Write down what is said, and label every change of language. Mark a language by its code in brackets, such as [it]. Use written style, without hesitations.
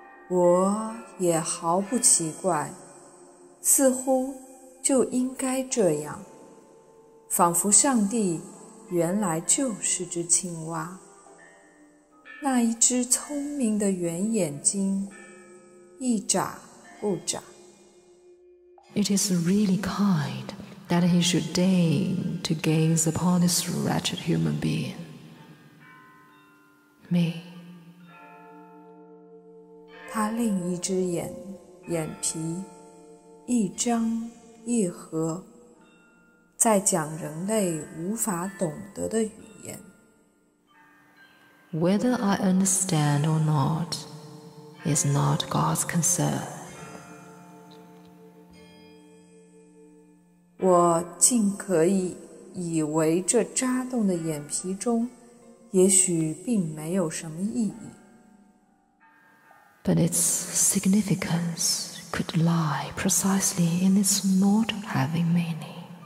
[zh] 我也毫不奇怪，似乎就应该这样，仿佛上帝原来就是只青蛙。那一只聪明的圆眼睛，一眨不眨。 [en] It is really kind that he should deign to gaze upon this wretched human being. me [zh] 他另一只眼眼皮一张一合，在讲人类无法懂得的语言。 [en] Whether I understand or not is not God's concern. [zh] 我竟可以以为这扎动的眼皮中也许并没有什么意义。 [en] But its significance could lie precisely in its not having meaning.